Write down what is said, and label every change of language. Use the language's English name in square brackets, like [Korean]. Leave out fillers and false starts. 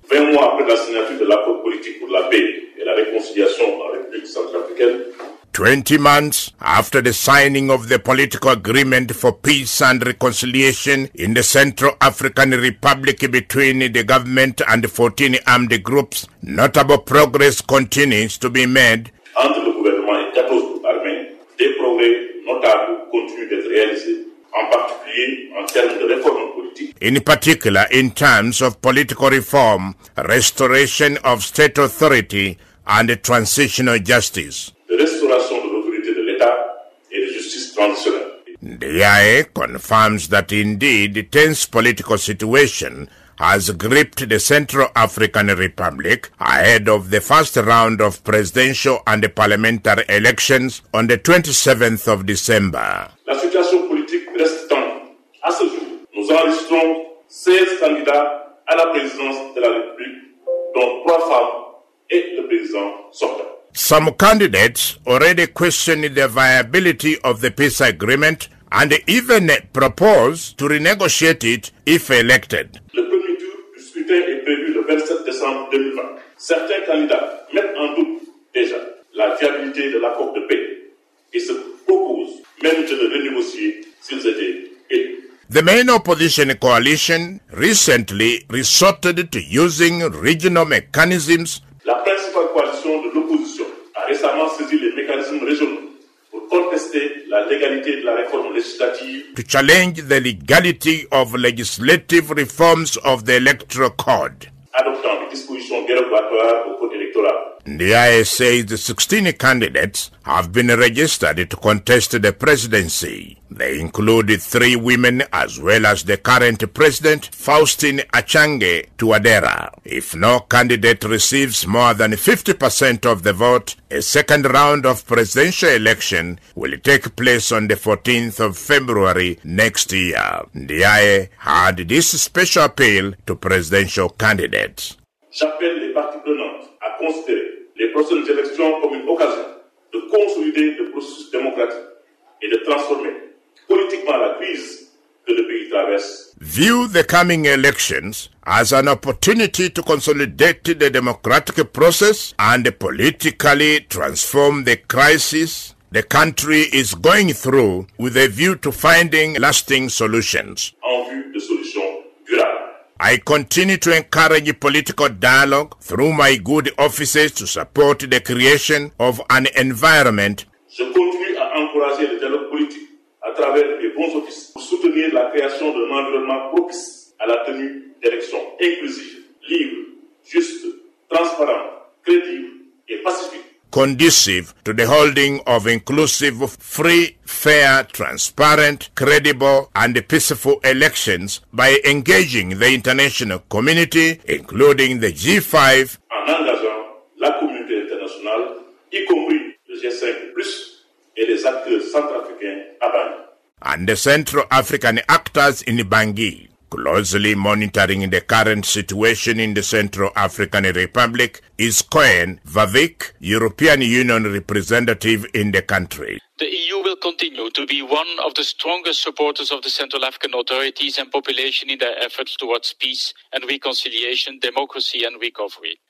[English] 20 years after the signature of the political accord and the reconciliation with the Republic of Central Africa, 20 months after the signing of the political agreement for peace and reconciliation in the Central African Republic between the government and 14 armed groups, notable progress continues to be made. [French] Entre le gouvernement et 14 groupes armés, des progrès notables continuent d'être réalisés, en particulier en termes de réformes politiques. [English] in particular in terms of political reform, restoration of state authority, and transitional justice. The restoration of [French] l'autorité de l'État et de justice transitionnelle. [English] DIA confirms that indeed the tense political situation has gripped the Central African Republic ahead of the first round of presidential and parliamentary elections on the 27th of December. [French] La situation politique reste tendue. À ce jour, nous enregistrons 16 candidats à la présidence de la République, dont 3 femmes et le président sortant. [English] Some candidates already question the viability of the peace agreement and even propose to renegotiate it if elected. [French] Est prévu le 27 décembre 2020. Certains candidats mettent en doute déjà la viabilité de l'accord de paix et se proposent même de le renégocier s'ils étaient élus. [English] The main opposition coalition recently resorted to using regional mechanisms. [French] La principale coalition de l'opposition a récemment saisi les mécanismes régionaux pour contester la légalité de la réforme législative. [English] To challenge the legality of legislative reforms of the electoral code. [French] Adoptant des dispositions dérogatoires au code électoral. [English] The DIA says 16 candidates have been registered to contest the presidency. They include 3 women as well as the current president, Faustin Achange Touadera. If no candidate receives more than 50% of the vote, a second round of presidential election will take place on the 14th of February next year. The DIA had this special appeal to presidential candidates. [French] J'appelle les parties prenantes à considérer les prochaines élections comme une occasion de consolider le processus démocratique et de transformer politiquement la crise que le pays traverse. [English] View the coming elections as an opportunity to consolidate the democratic process and politically transform the crisis the country is going through with a view to finding lasting solutions. [French] En vue de solutions. [English] I continue to encourage political dialogue through my good offices to support the creation of an environment. [French] Je continue à encourager le dialogue politique à travers mes bons offices pour soutenir la création d'un environnement propice à la tenue d'élections inclusives, libres, justes, transparentes, crédibles et pacifiques. [English] Conducive to the holding of inclusive, free, fair, transparent, credible, and peaceful elections by engaging the international community, including the G5, [French] en engageant la communauté internationale, y compris le G5+, et les acteurs centrafricains à Bangui, [English] and the Central African actors in Bangui. Closely monitoring the current situation in the Central African Republic is Koen Vavik, European Union representative in the country. The EU will continue to be one of the strongest supporters of the Central African authorities and population in their efforts towards peace and reconciliation, democracy and recovery.